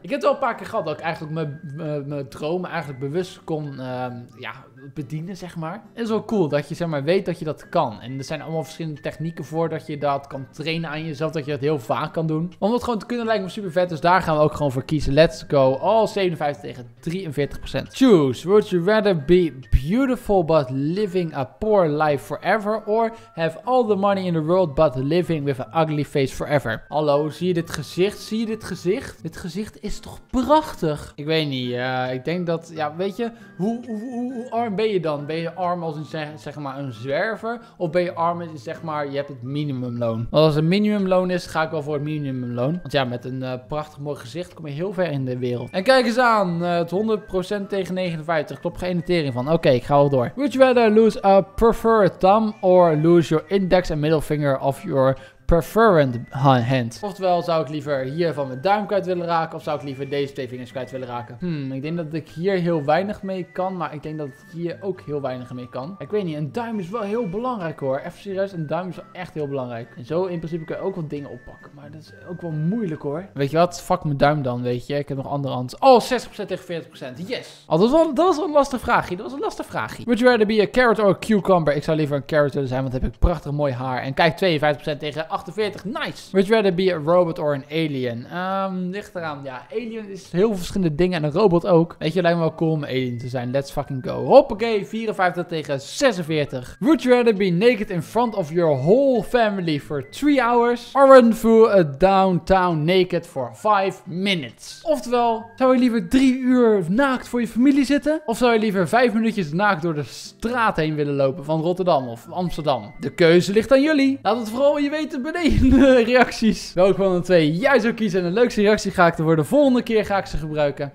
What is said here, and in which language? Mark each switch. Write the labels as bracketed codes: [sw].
[nl] Ik heb het al een paar keer gehad dat ik eigenlijk mijn dromen eigenlijk bewust kon, bedienen, zeg maar. Het is wel cool dat je, zeg maar, weet dat je dat kan. En er zijn allemaal verschillende technieken voor dat je dat kan trainen aan jezelf, dat je dat heel vaak kan doen. Om dat gewoon te kunnen lijkt me super vet, dus daar gaan we ook gewoon voor kiezen. [en] Let's go. [nl] Oh, 57 tegen 43%. [en] Choose. Would you rather be beautiful but living a poor life forever or have all the money in the world but living with an ugly face forever? [nl] Hallo, zie je dit gezicht? Zie je dit gezicht? Dit gezicht is toch prachtig? Ik weet niet. Ik denk dat, ja, weet je, hoe arm ben je dan? Ben je arm als een, zeg maar, een zwerver? Of ben je arm als, zeg maar, je hebt het minimumloon? Want als het minimumloon is, ga ik wel voor het minimumloon. Want ja, met een prachtig mooi gezicht kom je heel ver in de wereld. En kijk eens aan, het 100% tegen 59. Klopt geen notering van. Oké, ik ga wel door. [en] Would you rather lose a preferred thumb or lose your index and middle finger of your preferred hand? [nl] Oftewel, zou ik liever hier van mijn duim kwijt willen raken of zou ik liever deze twee vingers kwijt willen raken? Ik denk dat ik hier heel weinig mee kan, maar ik denk dat ik hier ook heel weinig mee kan. Ik weet niet, een duim is wel heel belangrijk hoor. Even serieus, een duim is wel echt heel belangrijk. En zo in principe kun je ook wat dingen oppakken, maar dat is ook wel moeilijk hoor. Weet je wat? Fuck mijn duim dan, weet je. Ik heb nog andere hand. Oh, 60% tegen 40%. Yes! Oh, dat was wel een lastig vraagje. Dat was een lastig vraagje. [en] Would you rather be a carrot or a cucumber? [nl] Ik zou liever een carrot willen zijn, want dan heb ik prachtig mooi haar. En kijk, 52% tegen 48, nice. [en] Would you rather be a robot or an alien? [nl] Ligt eraan. Ja, alien is heel veel verschillende dingen. En een robot ook. Weet je, lijkt me wel cool om alien te zijn. [en] Let's fucking go. [nl] Hoppakee, 54 tegen 46. [en] Would you rather be naked in front of your whole family for 3 hours? Or run through a downtown naked for 5 minutes? [nl] Oftewel, zou je liever 3 uur naakt voor je familie zitten? Of zou je liever 5 minuutjes naakt door de straat heen willen lopen van Rotterdam of Amsterdam? De keuze ligt aan jullie. Laat het vooral je weten beneden de reacties. Welke van de twee jij zou kiezen en de leukste reactie ga ik er voor de volgende keer ga ik ze gebruiken.